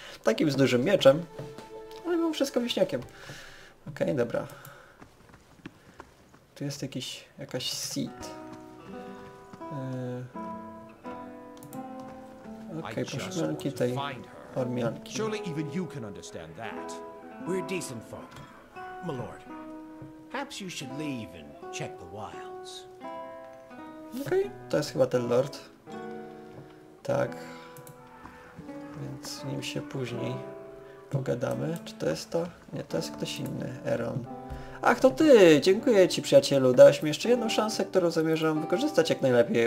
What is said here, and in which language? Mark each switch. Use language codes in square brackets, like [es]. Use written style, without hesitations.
[pl] Takim z dużym mieczem. Wszystko wieśniakiem. Okej, okay, dobra. Tu jest jakiś... jakaś seed. Okej, poszukiwanki tej ormianki. [en] Surely even you can understand that. We're decent folk. My lord, perhaps you should leave and check the wilds. [pl] Okej, to jest chyba ten lord. Tak. Więc z nim się później pogadamy. Czy to jest to? Nie, to jest ktoś inny. Eron. Ach, to ty! Dziękuję ci, przyjacielu. Dałeś mi jeszcze jedną szansę, którą zamierzam wykorzystać jak najlepiej.